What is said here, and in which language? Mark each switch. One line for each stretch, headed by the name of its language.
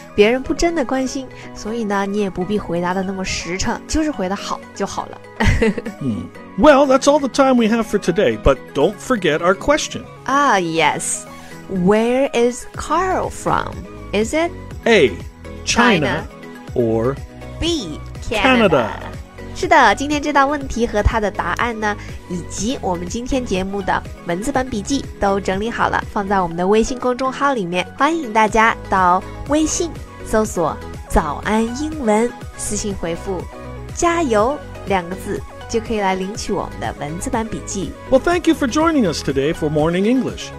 Chinese: 别人不真的关心，所以呢，你也不必回答的那么实诚，就是回答好就好了。
English: Well, that's all the time we have for today, but don't forget our question. Ah, yes. Where is Carl from? Is it A, China, or B, Canada?
Chinese: 是的，今天这道问题和它的答案呢，以及我们今天节目的文字版笔记都整理好了，放在我们的微信公众号里面，欢迎大家到微信搜索早安英文，私信回复加油两个字，就可以来领取我们的文字版笔记。
English: Well, thank you for joining us today for Morning English.